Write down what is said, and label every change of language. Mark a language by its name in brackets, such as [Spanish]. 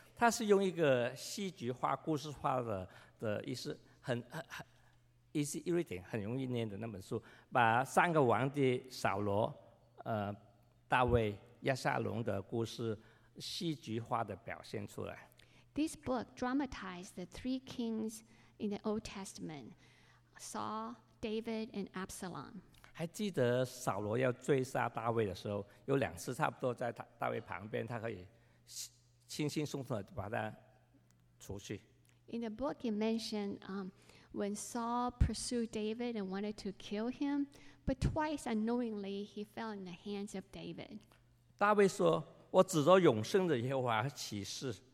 [Chinese] 它是用一个戏剧化、故事化的意思，很 [English] Easy reading， [Chinese] 很容易念的那本书，把三个王的扫罗、大卫、亚沙龙的故事戏剧化的表现出来。 [English] This book dramatized the three kings in the Old Testament: Saul, David, and Absalom. [Chinese] 还记得扫罗要追杀大卫的时候，有两次差不多在大卫旁边，他可以轻轻松松的把他除去。 [English] In the book, it mentioned When Saul pursued David and wanted to kill him, but twice unknowingly he fell in the hands of David. [Chinese] 大卫说，我指着永生的耶和华起誓。